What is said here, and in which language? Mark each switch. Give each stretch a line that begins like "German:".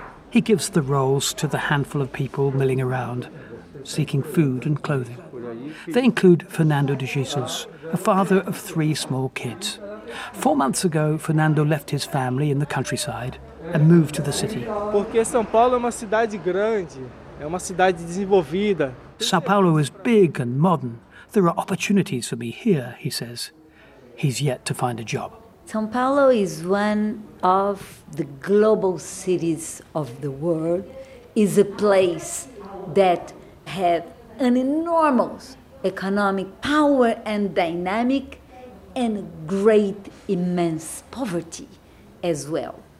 English: He gives the rolls to the handful of people milling around, seeking food and clothing. They include Fernando de Jesus, a father of three small kids. 4 months ago, Fernando left his family in the countryside and moved to the city.
Portuguese: Porque São Paulo é uma cidade grande, é uma cidade desenvolvida.
English: São Paulo is big and modern. There are opportunities for me here, he says. He's yet to find a job. São Paulo is one of the global cities of the world. It's a place that had an enormous economic power and dynamic and great, immense poverty as well.